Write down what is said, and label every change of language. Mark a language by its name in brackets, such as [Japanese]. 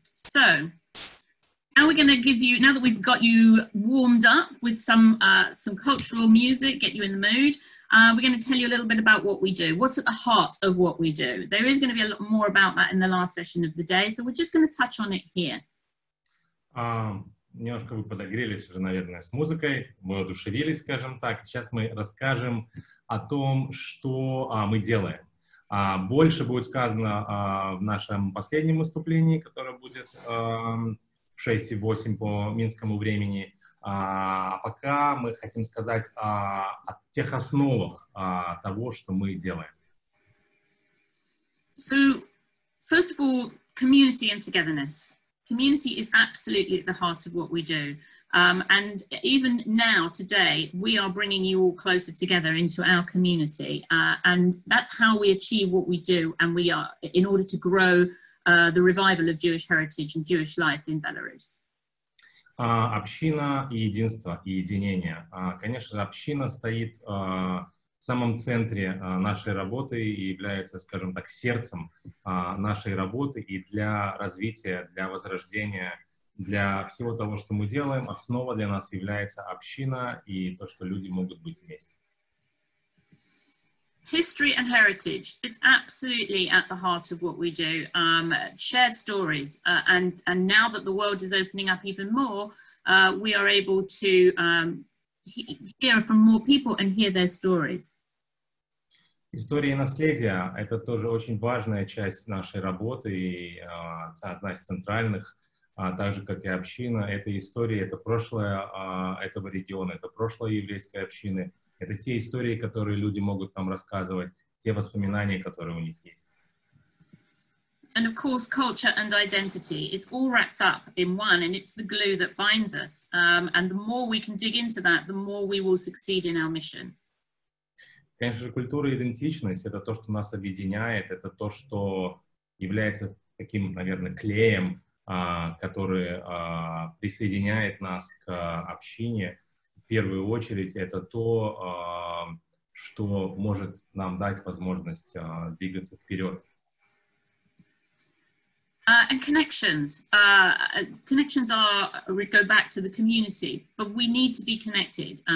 [English] So now we're going to give you, now that we've got you warmed up with some cultural music, get you in the mood, we're going to tell you a little bit about what we do. What's at the heart of what we do? There is going to be a lot more about that in the last session of the day, so we're just going to touch on it here. [Russian] Немножко вы подогрелись уже, наверное, с музыкой, воодушевились, скажем так. Сейчас мы расскажем о том, что мы делаем. Больше будет сказано в нашем последнем выступлении, которое будет 6 и 8 по минскому времени. А пока мы хотим сказать о тех основах того, что мы делаем. [English] So, first of all, community and togetherness. Community is absolutely at the heart of what we do. And even now, today, we are bringing you all closer together into our community. And that's how we achieve what we do. And we are, in order to grow the revival of Jewish heritage and Jewish life in Belarus. [Russian] Община и единство, и единение. Конечно, община стоит в самом центре нашей работы и является, скажем так, сердцем нашей работы и для развития, для возрождения, для всего того, что мы делаем, основа для нас является община и то, что люди могут быть вместе. [English] History and heritage is absolutely at the heart of what we do. Shared stories, and now that the world is opening up even more, we are able to hear from more people and hear their stories. [Russian] История и наследие — это тоже очень важная часть нашей работы и одна из центральных, так же, как и община. Это история, это прошлое этого региона, это прошлое еврейской общины. Это те истории, которые люди могут нам рассказывать, те воспоминания, которые у них есть. [English] And of course, culture and identity. It's all wrapped up in one, and it's the glue that binds us. And the more we can dig into that, the more we will succeed in our mission. [Russian] Конечно же, культура и идентичность — это то, что нас объединяет, это то, что является таким, наверное, клеем, который присоединяет нас к общине. В первую очередь, это то, что может нам дать возможность двигаться вперед. [English] And connections. Connections are, we go back to the community, but we need to be connected.